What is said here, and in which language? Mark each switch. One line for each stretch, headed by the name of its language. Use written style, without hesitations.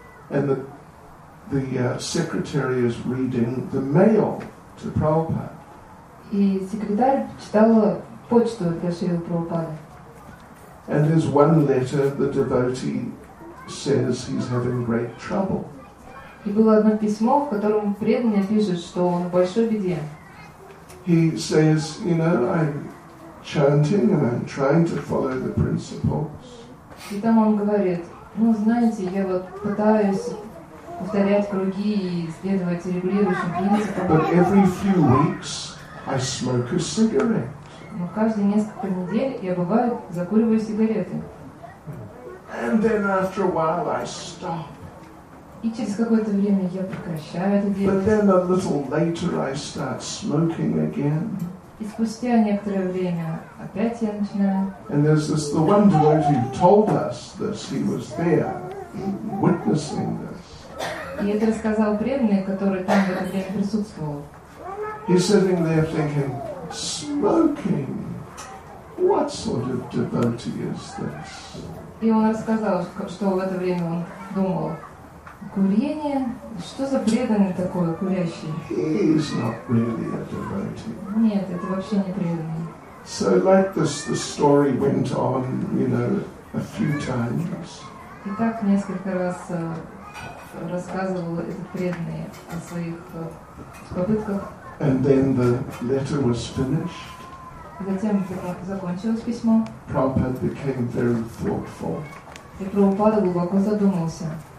English: And the secretary is reading the mail to Prabhupada.
Russian: И секретарь читал почту для Шрилы Прабхупады.
English: And there's one letter the devotee says he's having great trouble.
Russian: И было одно письмо, в котором преданный пишет, что он в большой беде.
English: He says, "You know, I'm chanting and I'm trying to follow the principles."
Russian: И там он говорит, ну знаете, я вот пытаюсь повторять круги и следовать регулирующим принципам.
English: But every few weeks I smoke a cigarette.
Russian: Но каждые несколько недель я бываю закуриваю сигареты.
English: And then after a while I stop.
Russian: И через какое-то время я прекращаю это делать.
English: But then a little later I start smoking again.
Russian: И спустя некоторое время опять я начинаю.
English: And there's this, the one devotee told us this, he was there, witnessing this.
Russian: И это рассказал преданный, который там в это время присутствовал.
English: He's sitting there thinking, smoking. What sort of devotee is this?
Russian: И он рассказал, что в это время он думал, курение? Что за преданный такой, курящий?
English: He is not really a devotee.
Russian: Нет, это вообще не преданный.
English: So like this, the story went on, you know, a few times.
Russian: И так несколько раз рассказывал этот преданный о своих попытках.
English: And then the letter was finished.
Russian: И затем закончилось письмо.
English: Prabhupada became very thoughtful.
Russian: И Прабхупада глубоко задумался.